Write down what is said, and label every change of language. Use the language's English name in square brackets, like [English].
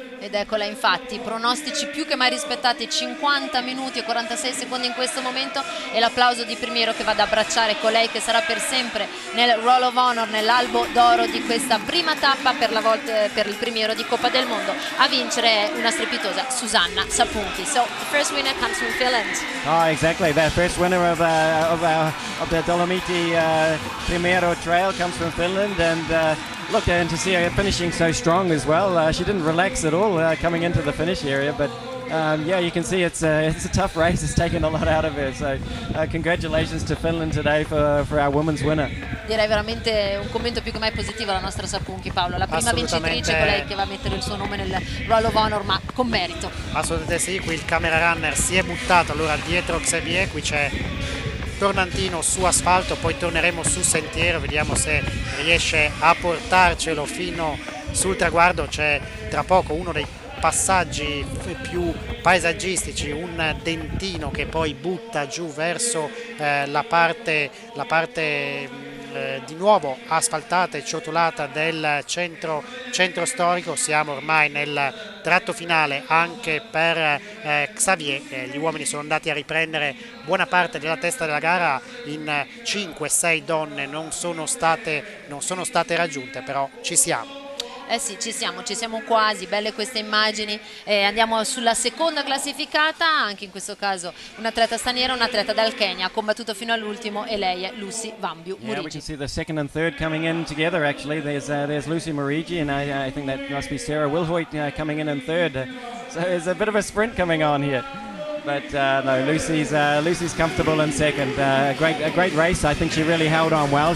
[Italian] Ed eccola infatti, pronostici più che mai rispettati, 50 minuti e 46 secondi in questo momento, e l'applauso di Primiero che va ad abbracciare colei che sarà per sempre nel Roll of Honor, nell'albo d'oro di questa prima tappa per la volta, per il Primiero di Coppa del Mondo. A vincere una strepitosa Susanna Sapunchi. [English] So the first winner comes from Finland. Oh, exactly, the first winner of the Dolomiti Primiero Trail comes from Finland, and look, and to see her finishing so strong as well, she didn't relax at all coming into the finish area, but yeah, you can see it's a tough race, it's taken a lot out of her, so congratulations to Finland today for our women's winner. [Italian] Direi veramente un commento più che mai positivo alla nostra Sapunchi, Paolo, la prima vincitrice, colei che va a mettere il suo nome nel Roll of Honor, ma con merito. Assolutamente sì, qui il camera runner si è buttato, allora dietro Xavier, qui c'è Tornantino su asfalto, poi torneremo su sentiero, vediamo se riesce a portarcelo fino sul traguardo. C'è tra poco uno dei passaggi più paesaggistici, un dentino che poi butta giù verso la parte di nuovo asfaltata e ciotolata del centro storico. Siamo ormai nel tratto finale anche per Xavier, gli uomini sono andati a riprendere buona parte della testa della gara, in 5-6 donne non sono state raggiunte, però ci siamo. Eh sì, ci siamo quasi, belle queste immagini. Andiamo sulla seconda classificata, anche in questo caso un'atleta straniera, un'atleta dal Kenya, ha combattuto fino all'ultimo, e lei è Lucy Vambiu Murigi. [English] Yeah, we can see the second and third coming in together actually. There's Lucy Murigi and I think that must be Sarah Wilhoit coming in third. So there's a bit of a sprint coming on here. But no, Lucy's comfortable in second. A great race. I think she really held on well.